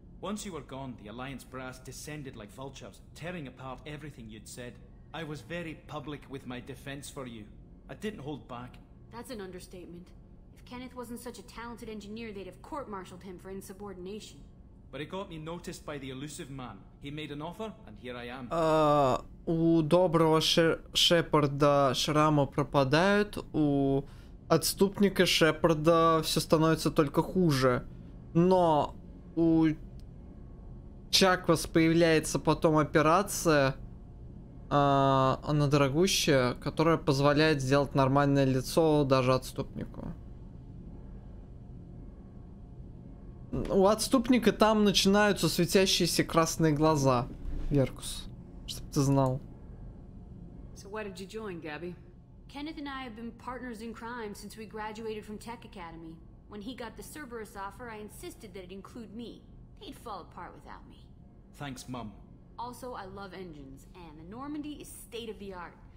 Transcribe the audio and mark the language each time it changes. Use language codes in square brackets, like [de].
[en] Once you were gone, the Alliance brass descended like vultures, tearing apart everything you'd said. I was very public with my defense for you. I didn't hold back. That's an understatement. Kenneth wasn't such a talented engineer, they'd have court-martialed him for insubordination. But it got me noticed by the elusive man. He made an offer, and here I am. [ru] У доброго Шепарда шрамы пропадают, у отступника Шепарда все становится только хуже. Но у Чаквас появляется потом операция на дорогущая, которая позволяет сделать нормальное лицо даже отступнику. У отступника там начинаются светящиеся красные глаза, Веркус, чтобы ты знал. [en] So why did you join, Gabby? Kenneth and I have been partners in crime since we graduated from Tech Academy. When he got the Cerberus offer, I insisted that it include me. He'd fall apart without me. Thanks, Mom. Also, I love engines, and the Normandy is state of the art.